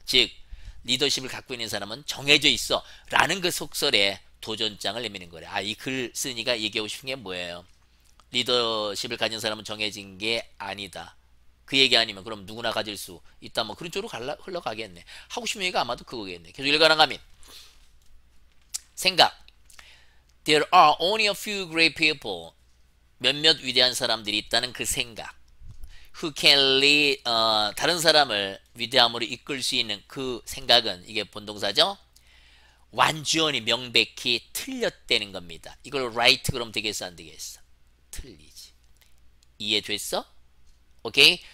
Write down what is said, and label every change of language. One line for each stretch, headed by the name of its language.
Korean: 즉, 리더십을 갖고 있는 사람은 정해져 있어. 라는 그 속설에 도전장을 내미는 거래. 아, 이글 쓰니까 얘기하고 싶은 게 뭐예요? 리더십을 가진 사람은 정해진 게 아니다. 그 얘기 아니면 그럼 누구나 가질 수 있다. 뭐 그런 쪽으로 흘러가겠네. 하고 싶은 얘기가 아마도 그거겠네. 계속 읽어 나가면. 생각.
English: There are only a few great people.
Korean: 몇몇 위대한 사람들이 있다는 그 생각.
English: Who can lead,
Korean: 다른 사람을 위대함으로 이끌 수 있는 그 생각은, 이게 본동사죠? 완전히 명백히 틀렸다는 겁니다. 이걸 right 그러면 되겠어, 안 되겠어? 틀리지. 이해됐어? 오케이?